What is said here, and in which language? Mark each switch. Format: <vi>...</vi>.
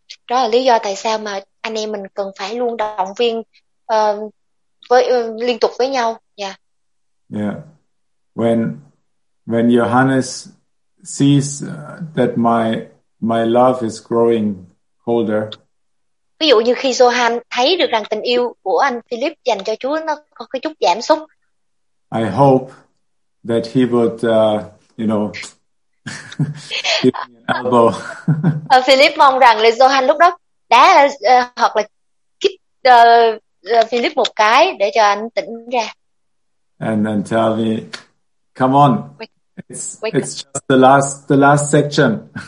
<vi>Đó là lý do tại sao mà anh em mình cần phải luôn động viên liên tục với nhau.</vi> <en>Yeah. Yeah. When Johannes sees that my love is growing colder.</en> <vi>Ví dụ như khi Johan thấy được rằng tình yêu của anh Philip dành cho Chúa nó có cái chút giảm sút.</vi> <en>I hope that he would give me an elbow.</en> <vi>Philip mong rằng là Johan lúc đó đá hoặc là kick Philip một cái để cho anh tỉnh ra.</vi> <en>And then tell me, come on. It's just the last section.</en>